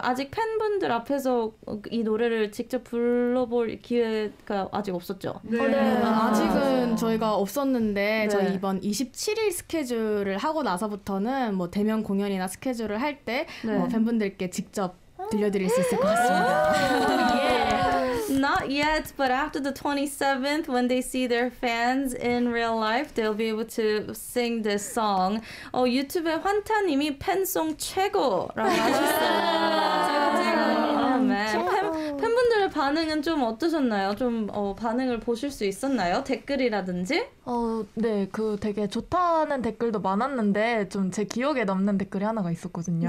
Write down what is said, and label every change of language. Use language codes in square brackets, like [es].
[ko] 아직 팬분들 앞에서 이 노래를 직접 불러볼 기회가 아직 없었죠? 네. 아직은 저희가 없었는데 네. 저희 이번 27일 스케줄을 하고 나서부터는 뭐 대면 공연이나 스케줄을 할 때 네. 뭐 팬분들께 직접 들려드릴 수 있을 것 같습니다. [en] Not yet, but after the 27th, when they see their fans in real life, they'll be able to sing this song. [ko] 어, 유튜브에 환타님이 팬송 최고라고 하셨어요. 팬분들의 반응은 좀 어떠셨나요? 좀 어, 반응을 보실 수 있었나요? 댓글이라든지? 어, 네, 그 되게 좋다는 댓글도 많았는데 좀 제 기억에 남는 댓글이 하나가 있었거든요.